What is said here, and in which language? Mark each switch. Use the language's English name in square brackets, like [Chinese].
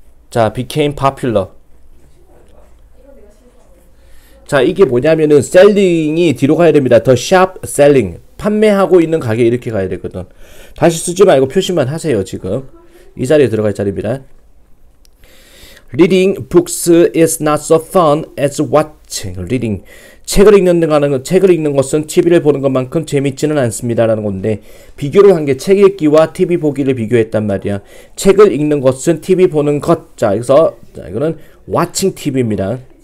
[English] 자, became popular. [Korean] 자, 이게 뭐냐면은 셀링이 뒤로 가야 됩니다. [English] The shop selling. [Korean] 판매하고 있는 가게 이렇게 가야 되거든. 다시 쓰지 말고 표시만 하세요, 지금. 이 자리에 들어갈 자리입니다. [English] Reading books is not so fun as watching reading. [Korean] 책을 읽는 것은 TV를 보는 것만큼 재밌지는 않습니다라는 건데, 비교를 한게책 읽기와 TV 보기를 비교했단 말이야. 책을 읽는 것은 TV 보는 것. 자, 여기서, 자, 이거는 [English] watching TV [Korean] 입니다.